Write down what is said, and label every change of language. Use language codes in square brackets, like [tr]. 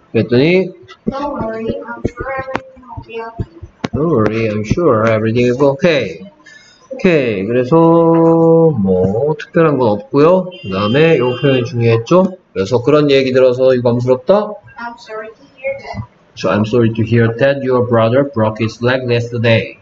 [ko] 그랬더니 [en] Don't worry, I'm sure everything will be okay. Don't worry, I'm sure everything will be okay. Okay. [ko] 그래서 뭐 특별한 건 없고요. 그 다음에 이 표현 중요했죠. 그래서 그런 얘기 들어서 유감스럽다. [en] I'm sorry to hear that. So I'm sorry to hear that your brother broke his leg yesterday.